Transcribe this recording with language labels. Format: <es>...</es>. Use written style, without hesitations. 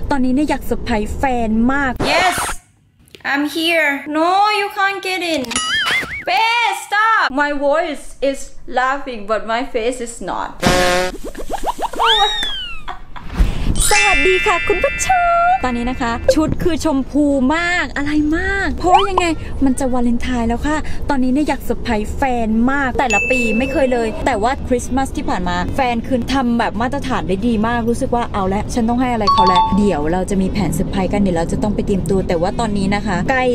<th>ตอนนี้เนี่ยอยากเซอร์ไพรส์แฟนมาก</th> <en>Yes I'm here No you can't get in Babe stop My voice is laughing but my face is not</en> <th>สวัสดีค่ะคุณผู้ชมตอนนี้นะคะชุดคือชมพูมากอะไรมากเพราะยังไงมันจะวาเลนไทน์แล้วค่ะตอนนี้เนี่ยอยากเซอร์ไพรส์แฟนมากแต่ละปีไม่เคยเลยแต่ว่าคริสต์มาสที่ผ่านมาแฟนคือทำแบบมาตรฐานได้ดีมากรู้สึกว่าเอาละฉันต้องให้อะไรเขาละเดี๋ยวเราจะมีแผนเซอร์ไพรส์กันเดี๋ยวเราจะต้องไปเตรียมตัวแต่ว่าตอนนี้นะคะใกล้</th>